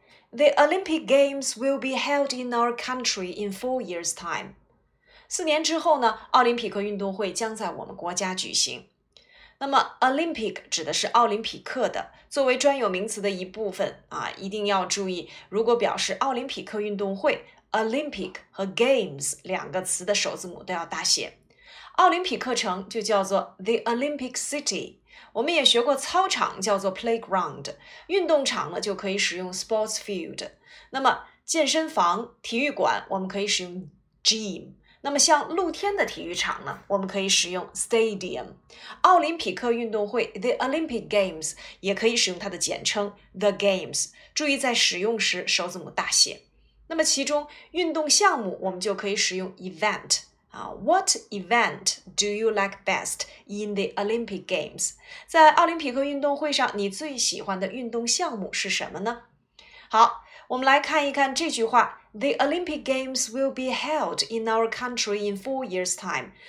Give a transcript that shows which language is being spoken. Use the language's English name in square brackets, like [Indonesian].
[English] The Olympic Games will be held in our country in 4 years' time. [Chinese] 4年之后呢，奥林匹克运动会将在我们国家举行。那么 Olympic 指的是奥林匹克的，作为专有名词的一部分啊，一定要注意，如果表示奥林匹克运动会， Olympic 和 Games 两个词的首字母都要大写。奥林匹克城就叫做 The Olympic City。我们也学过操场叫做 playground， 运动场呢就可以使用 sports field， 那么健身房、体育馆我们可以使用 gym， 那么像露天的体育场呢我们可以使用 stadium。奥林匹克运动会 The Olympic Games 也可以使用它的简称 The Games， 注意在使用时首字母大写。那么其中运动项目我们就可以使用 [English] eventWhat event do you like best in the Olympic Games? [Chinese] 在奥林匹克运动会上，你最喜欢的运动项目是什么呢？好，我们来看一看这句话。 [English] The Olympic Games will be held in our country in 4 years' time.